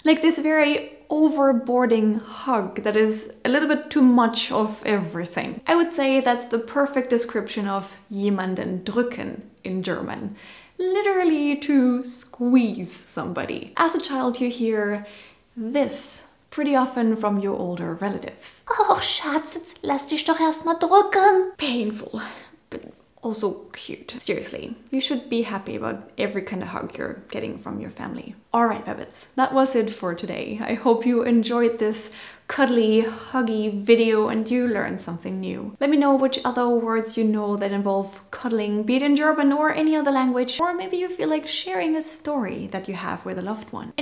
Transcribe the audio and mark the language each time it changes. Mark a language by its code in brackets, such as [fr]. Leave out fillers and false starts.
[en] Like this very overboarding hug that is a little bit too much of everything. I would say that's the perfect description of [de] jemanden drücken [en] in German. literally to squeeze somebody. As a child, you hear this pretty often from your older relatives. [de] Oh, Schatz, jetzt lass dich doch erstmal drücken. [en] Painful, but also cute. Seriously, you should be happy about every kind of hug you're getting from your family. All right, Babbits, that was it for today. I hope you enjoyed this cuddly, huggy video and you learned something new. Let me know which other words you know that involve cuddling, be it in German or any other language, or maybe you feel like sharing a story that you have with a loved one.